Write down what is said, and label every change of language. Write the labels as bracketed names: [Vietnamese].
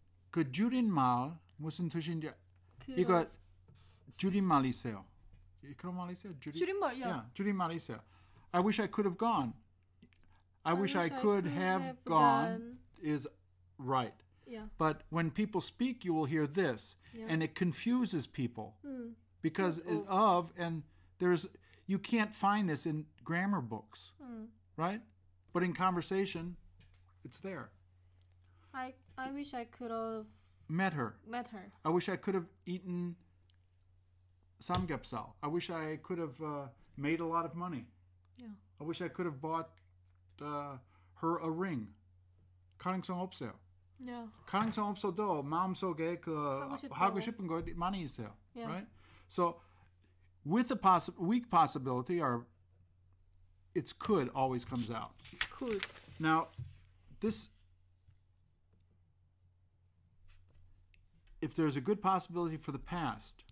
[Korean] 그 줄임말 무슨 뜻인지 이거 줄임말 있어요. 그런 말 있어요? 줄임말, [English] yeah. [Korean] 줄임말 있어요. [English] I wish I could have gone. I wish I could have gone is right. Yeah. But when people speak, you will hear this. Yeah. And it confuses people. Because of, and there's, you can't find this in grammar books. Right? But in conversation, it's there. I wish I could have... Met her. I wish I could have eaten samgyeopsal. I wish I could have made a lot of money. Yeah. I wish I could have bought her a ring. [Korean] 가능성 없어요. [English] Yeah. [Korean] 가능성 없어도 마음속에 그 하고 싶은 거 많이 있어요. [English] Yeah. Right? So, with the weak possibility, or it's could always comes out. Could. Now, this... If there's a good possibility for the past,